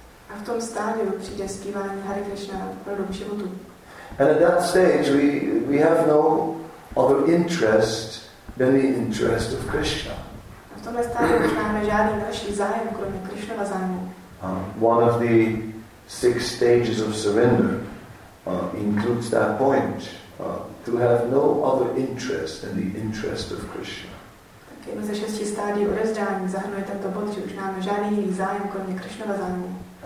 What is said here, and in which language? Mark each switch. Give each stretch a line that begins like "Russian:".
Czech: A v tom stádiu přijde zpívání Hare Krishna opravdu k životu.
English: And at that stage we have no other interest than the interest of Krishna.
Czech: A v tomhle stádiu už máme žádný další zájem, kromě Krishnova zájmu.
English: One of the six stages of surrender includes that point, to have no other interest than the interest of Krishna.
Czech: Jedno ze šesti stádií odevzdání zahrnuje tento bod, že už nemáme žádný jiný zájem, kromě Krišnova zájmu.